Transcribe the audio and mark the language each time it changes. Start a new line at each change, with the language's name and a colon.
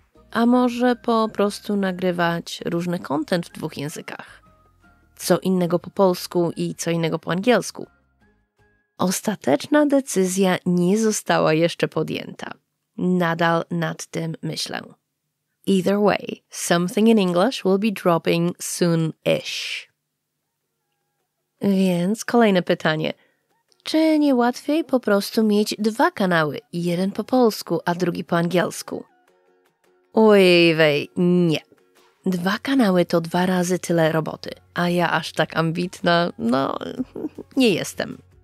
Polish: A może po prostu nagrywać różny content w dwóch językach? Co innego po polsku i co innego po angielsku? Ostateczna decyzja nie została jeszcze podjęta. Nadal nad tym myślę.
English: Either way, something in English will be dropping soon-ish.
Polish: Więc kolejne pytanie. Czy nie łatwiej po prostu mieć dwa kanały, jeden po polsku, a drugi po angielsku? Ojej, nie. Dwa kanały to dwa razy tyle roboty, a ja aż tak ambitna, no, nie jestem.